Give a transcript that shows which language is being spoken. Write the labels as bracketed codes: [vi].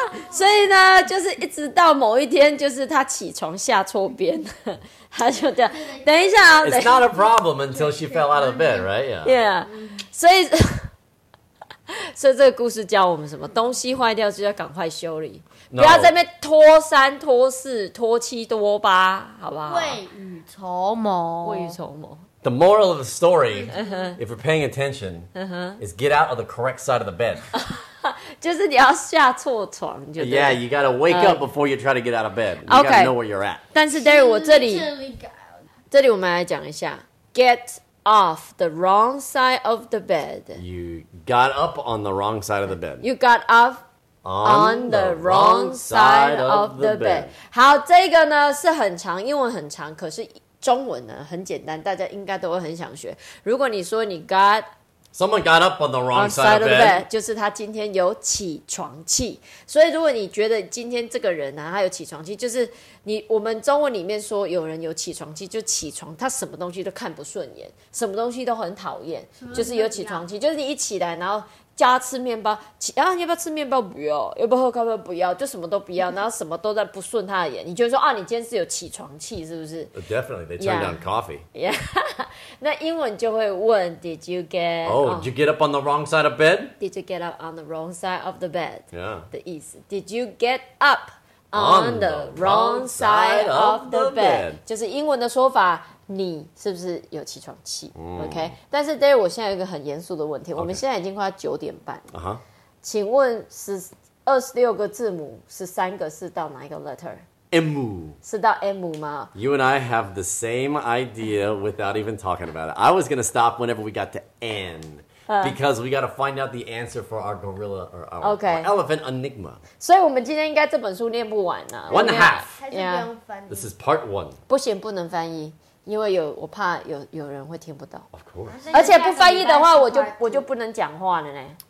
[zh] 所以呢，就是一直到某一天，就是她起床下错边，她就这样。等一下啊 [en] ，It's not a problem until she fell out of bed, right? Yeah. [zh] 所以，所以这个故事教我们什么？东西坏掉就要赶快修理， [en] no. [zh] 不要在那边拖三拖四拖七拖八，好不好？未雨绸缪，未雨绸缪。 [en] The moral of the story, if you're paying attention, is get out of the correct side of the bed. [zh] 就是你要下错床就对。 [en] Yeah, you gotta wake up before you try to get out of bed. You gotta know where you're at. [zh] 但是 Derry, 我这里，这里我们来讲一下 [en] get off the wrong side of the bed. You got up on the wrong side of the bed. You got up on the wrong side of the bed. [zh] 好，这个呢是很长，英文很长，可是。中文呢很简单，大家应该都会很想学。如果你说你 [en] got someone got up on the wrong side of the bed， [zh] 就是他今天有起床气。所以如果你觉得今天这个人啊，他有起床气，就是你我们中文里面说有人有起床气，就起床他什么东西都看不顺眼，什么东西都很讨厌，就是有起床气，就是你一起来然后。叫他吃面包，啊，你要不要吃面包？不要，要不要喝咖啡？不要，就什么都不要，然后什么都在不顺他的眼。你就说啊，你今天是有起床气，是不是 [en] ？Definitely, they turned down coffee. Yeah. [zh] 那英文就会问 [en] ，Did you get? Oh, did you get up on the wrong side of bed? Did you get up on the wrong side of the bed? Yeah. [zh] 的意思 [en] ，Did you get up on the wrong side of the bed? [zh] 就是英文的说法。你是不是有起床气、OK， 但是 Derry 我现在有一个很严肃的问题、 [en] okay. [zh] 我们现在已经快九点半了、 [en] uh-huh. [zh] 请问是二十六个字母是三个是到哪一个 letter [en] M [zh] 是到 M 吗 [en] You and I have the same idea without even talking about it I was going to stop whenever we got to N because we got to find out the answer for our gorilla or our,、 okay. our elephant enigma [zh] 所以我们今天应该这本书念不完啊 [en] One half [zh] 还是不用翻译 [en] This is part one [zh] 不行不能翻译因为有我怕 有人会听不到 [en] ，Of course， [zh] 而且不翻译的话，我就不能讲话了呢。